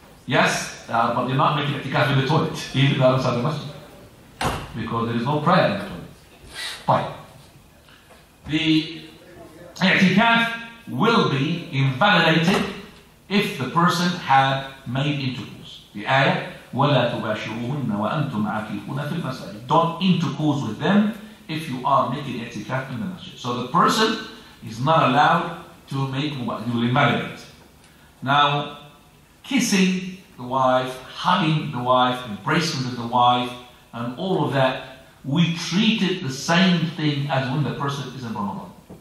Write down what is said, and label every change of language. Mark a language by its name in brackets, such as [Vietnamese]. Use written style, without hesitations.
[English] Yes, but you're not making itikaf in the toilet, even outside the masjid. Because there is no prayer in the toilet. Fine. The itikaf will be invalidated if the person had made intercourse. The ayah, [Arabic] وَلَا تُبَاشِرُوهُنَّ وَأَنْتُمْ عَكِفُونَ فِي الْمَسَاجِدِ. [English] Don't intercourse with them if you are making itikaf in the masjid. So the person is not allowed to make mubashir, you will invalidate. Now, kissing the wife, hugging the wife, embracing the wife, and all of that, we treat it the same thing as when the person is in Ramadan.